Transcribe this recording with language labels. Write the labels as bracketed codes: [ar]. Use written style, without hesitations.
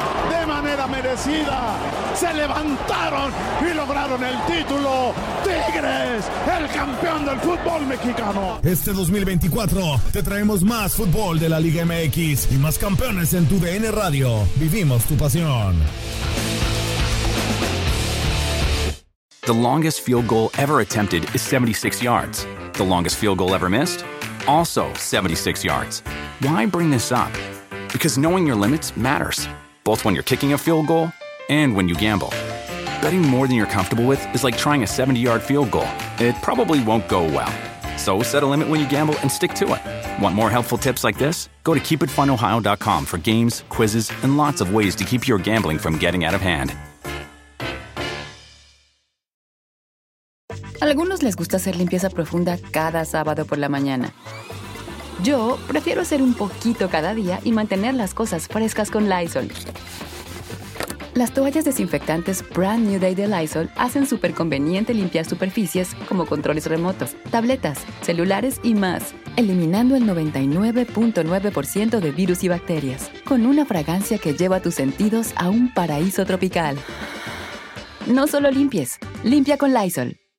[es] De manera merecida, se levantaron y lograron el título. Tigres, el campeón del fútbol mexicano. Este 2024 te traemos más fútbol de la Liga MX y más campeones en tu TUDN Radio. Vivimos tu pasión. [en] The longest field goal ever attempted is 76 yards. The longest field goal ever missed? Also 76 yards. Why bring this up? Because knowing your limits matters, both when you're kicking a field goal and when you gamble. Betting more than you're comfortable with is like trying a 70-yard field goal. It probably won't go well. So set a limit when you gamble and stick to it. Want more helpful tips like this? Go to KeepItFunOhio.com for games, quizzes, and lots of ways to keep your gambling from getting out of hand. [es] Algunos les gusta hacer limpieza profunda cada sábado por la mañana. Yo prefiero hacer un poquito cada día y mantener las cosas frescas con Lysol. Las toallas desinfectantes Brand New Day de Lysol hacen súper conveniente limpiar superficies como controles remotos, tabletas, celulares y más, eliminando el 99.9% de virus y bacterias, con una fragancia que lleva tus sentidos a un paraíso tropical. No solo limpies, limpia con Lysol.